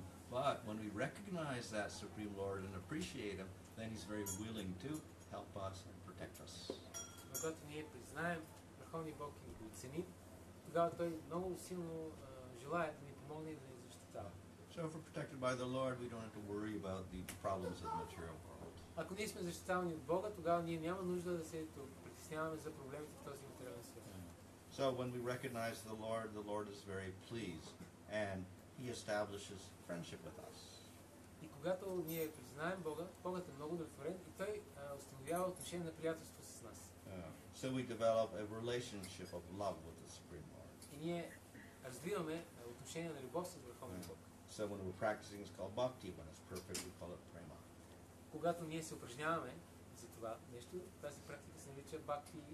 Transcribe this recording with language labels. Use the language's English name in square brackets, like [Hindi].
[English] But when we recognize that Supreme Lord and appreciate Him, then He's very willing to help us and protect us. [Bulgarian] Но когато ние признаем Върховния Бог и го оценим, тогава Той много силно желая да ни помогне и да ни защитава. [English] So if we're protected by the Lord, we don't have to worry about the problems of the material world. [Bulgarian] Ако ние сме защитавани от Бога, тогава ние няма нужда да се притесняваме за проблемите в този материален свят. [English] So when we recognize the Lord is very pleased and He establishes friendship with us. [Bulgarian] И когато ние признаем Бога, Богът е много удовлетворен и Той установява отношение на приятелство с нас. [English] So we develop a relationship of love with the Supreme Lord. [Bulgarian] И ние развиваме отношение на любов с Върховния Бог. [English] So when we're practicing, it's called bhakti. When it's perfect, we call it prema. [Bulgarian] Когато ние се упражняваме за това нещо, тази практика се нарича бхакти.